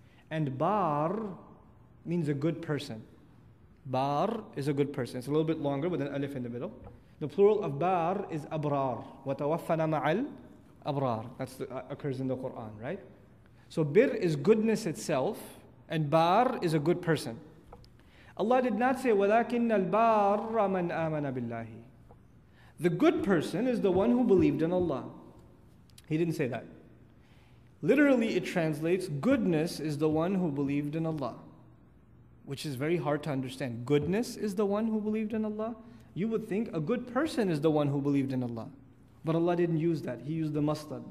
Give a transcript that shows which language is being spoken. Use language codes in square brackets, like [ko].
[en] And bar means a good person. Bar is a good person. It's a little bit longer with an alif in the middle. The plural of bar is abrar. [ar] وَتَوَفَّنَا مَعَ الْأَبْرَارِ. [en] That's the, occurs in the Quran, right? So birr is goodness itself, and bar is a good person. Allah did not say, [ar] وَلَكِنَّ الْبَارَّ مَنْ آمَنَ بِاللَّهِ. [en] The good person is the one who believed in Allah. He didn't say that. Literally it translates, goodness is the one who believed in Allah. Which is very hard to understand. Goodness is the one who believed in Allah? You would think a good person is the one who believed in Allah. But Allah didn't use that. He used the mustad.